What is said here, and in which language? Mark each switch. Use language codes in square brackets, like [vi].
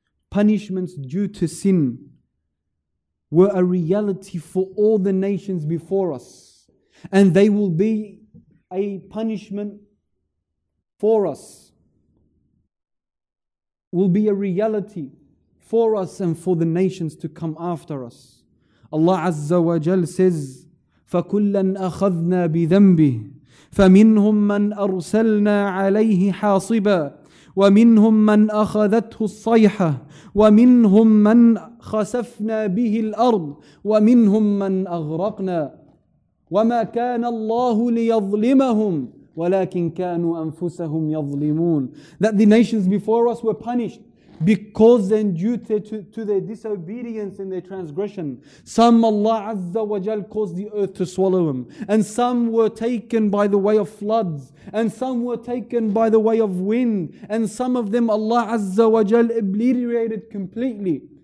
[en] Punishments due to sin were a reality for all the nations before us, and they will be a punishment for us, will be a reality for us and for the nations to come after us. Allah Azza wa Jal says, [ar] فَكُلًّا أَخَذْنَا بِذَنْبِهِ فَمِنْهُمْ مَنْ أَرْسَلْنَا عَلَيْهِ حَاصِبًا وَمِنْهُمْ مَنْ أَخَذَتْهُ الصَّيْحَةِ وَمِنْهُمْ مَنْ خَسَفْنَا بِهِ الْأَرْضِ وَمِنْهُمْ مَنْ أَغْرَقْنَا وَمَا كَانَ اللَّهُ لِيَظْلِمَهُمْ وَلَكِنْ كَانُوا أَنفُسَهُمْ يَظْلِمُونَ. [en] That the nations before us were punished because then due to their disobedience and their transgression, some Allah Azza wa Jal caused the earth to swallow them, and some were taken by the way of floods, and some were taken by the way of wind, and some of them Allah Azza wa Jal obliterated completely.